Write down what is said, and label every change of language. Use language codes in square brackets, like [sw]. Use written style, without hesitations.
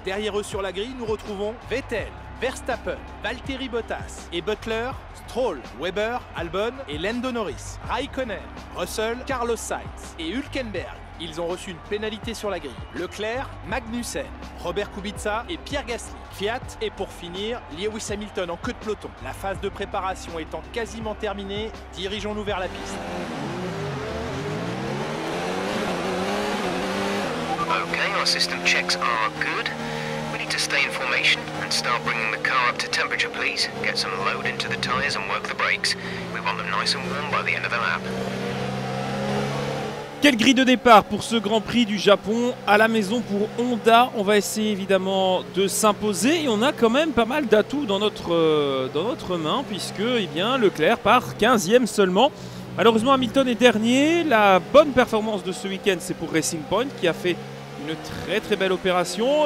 [fr] Derrière eux sur la grille, nous retrouvons Vettel, Verstappen, Valtteri Bottas et Butler, Stroll, Weber, Albon et Lando Norris, Raikkonen, Russell, Carlos Sainz et Hülkenberg. Ils ont reçu une pénalité sur la grille. Leclerc, Magnussen, Robert Kubica et Pierre Gasly. Fiat et pour finir, Lewis Hamilton en queue de peloton. La phase de préparation étant quasiment terminée, dirigeons-nous vers la piste. [en] Ok, our system checks are good. We need to stay in formation and start bringing the car up to temperature, please. Get some load into the tires and work the brakes. We want them nice and warm by the end of the lap. [fr] Quelle grille de départ pour ce Grand Prix du Japon à la maison pour Honda. On va essayer évidemment de s'imposer et on a quand même pas mal d'atouts dans notre main puisque eh bien, Leclerc part 15e seulement. Malheureusement Hamilton est dernier. La bonne performance de ce week-end c'est pour Racing Point qui a fait une très très belle opération.